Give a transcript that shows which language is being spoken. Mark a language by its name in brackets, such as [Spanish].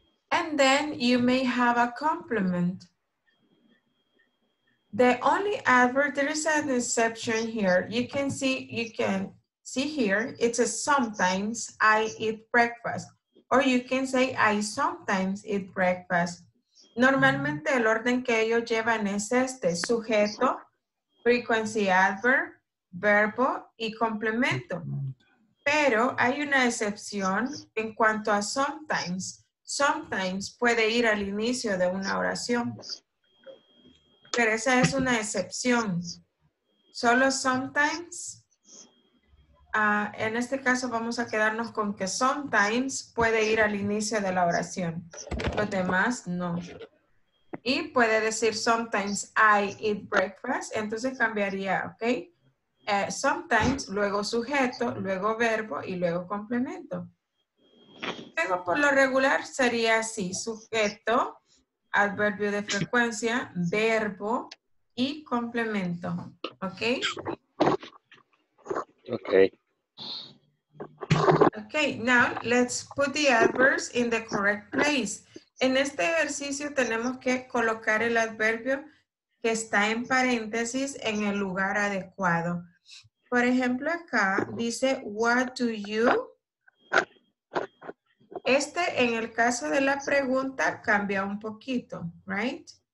[English] And then you may have a complement. The only adverb, there is an exception here. You can see here, it says sometimes I eat breakfast. Or you can say I sometimes eat breakfast. [Spanish] Normalmente el orden que ellos llevan es este, sujeto, [English] frequency adverb, [Spanish] verbo y complemento. Pero hay una excepción en cuanto a sometimes. Sometimes puede ir al inicio de una oración. Pero esa es una excepción. Solo sometimes, en este caso vamos a quedarnos con que sometimes puede ir al inicio de la oración. Los demás no. Y puede decir, [English] sometimes I eat breakfast. [Spanish] Entonces cambiaría, ¿ok? Sometimes, luego sujeto, luego verbo y luego complemento. Luego, por lo regular, sería así. Sujeto, adverbio de frecuencia, verbo y complemento. ¿Ok? [English] Okay. Okay, now let's put the adverbs in the correct place. [Spanish] En este ejercicio tenemos que colocar el adverbio que está en paréntesis en el lugar adecuado. Por ejemplo, acá dice, [English] what do you? [Spanish] Este, en el caso de la pregunta, cambia un poquito, [English] right?